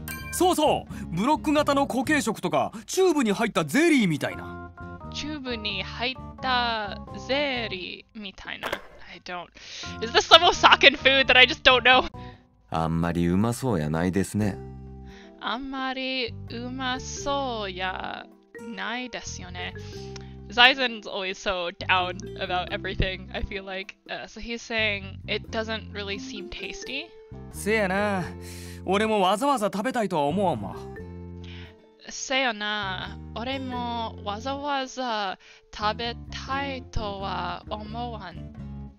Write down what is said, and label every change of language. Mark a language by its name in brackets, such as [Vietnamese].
[Japanese] そうそう、ブロック型の固形食とかチューブに入ったゼリーみたいな。チューブに入ったゼリーみたいな。 [English] I don't... Is this some Osakan food that I just don't know? [Japanese] あんまりうまそうやないですね。あんまりうまそうやないですよね。 [English] Zaizen's always so down about everything, I feel like. So he's saying it doesn't really seem tasty. [Japanese] せやな、俺もわざわざ食べたいとは思わんわ。せよな、俺もわざわざ食べたいとは思わん。